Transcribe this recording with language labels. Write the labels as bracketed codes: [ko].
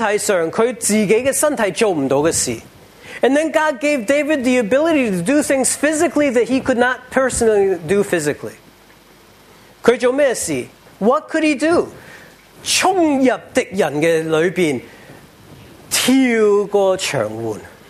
[zh] 根据神在帮他呢，这就身体上他自己的身体做不到的事。 [en] And then God gave David the ability to do things physically that he could not personally do physically. [zh] 他做什么事? [en] What could he do? [zh] 冲入敌人的里边，跳过墙垣。